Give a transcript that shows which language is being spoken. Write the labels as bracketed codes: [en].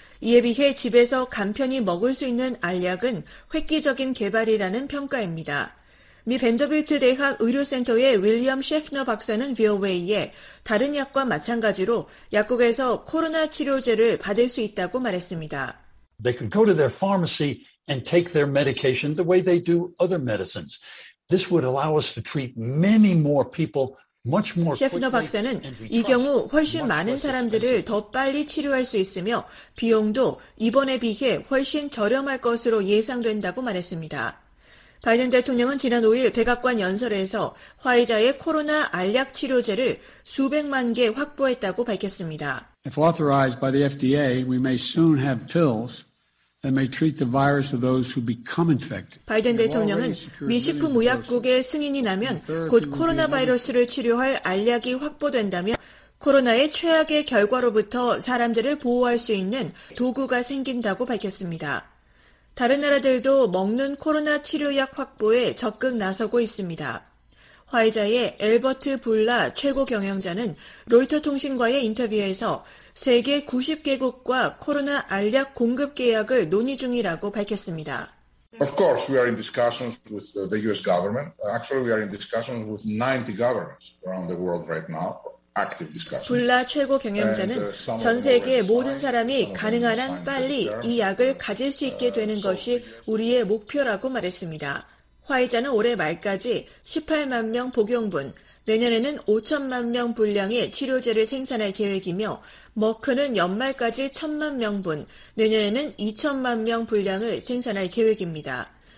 [ko] 이에 비해 집에서 간편히 먹을 수 있는 알약은 획기적인 개발이라는 평가입니다. 미 벤더빌트 대학 의료센터의 윌리엄 셰프너 박사는 VOA에 다른 약과 마찬가지로 약국에서 코로나 치료제를 받을 수 있다고 말했습니다. [en] They can go to their pharmacy and take their medication the way they do other medicines. This would allow us to treat many more people much more quickly. [ko] 셰프너 박사는 이 경우 훨씬 많은 사람들을 더 빨리 치료할 수 있으며 비용도 이번에 비해 훨씬 저렴할 것으로 예상된다고 말했습니다. 바이든 대통령은 지난 5일 백악관 연설에서 화이자의 코로나 알약 치료제를 수백만 개 확보했다고 밝혔습니다. [en] If authorized by the FDA, we may soon have pills that may treat the virus of those who become infected. [ko] 바이든 대통령은 미 식품의약국의 승인이 나면 곧 코로나 바이러스를 치료할 알약이 확보된다며 코로나의 최악의 결과로부터 사람들을 보호할 수 있는 도구가 생긴다고 밝혔습니다. 다른 나라들도 먹는 코로나 치료약 확보에 적극 나서고 있습니다. 화이자의 엘버트 불라 최고 경영자는 로이터통신과의 인터뷰에서 세계 90개국과 코로나 알약 공급 계약을 논의 중이라고 밝혔습니다. [en] Of course, we are in discussions with the US government. Actually, we are in discussions with 90 governments around the world right now. [ko] 불라 최고 경영자는 전 세계 모든 사람이 가능한 한 빨리 이 약을 가질 수 있게 되는 것이 우리의 목표라고 말했습니다. 화이자는 올해 말까지 18만 명 복용분, 내년에는 5천만 명 분량의 치료제를 생산할 계획이며 머크는 연말까지 1천만 명분, 내년에는 2천만 명 분량을 생산할 계획입니다.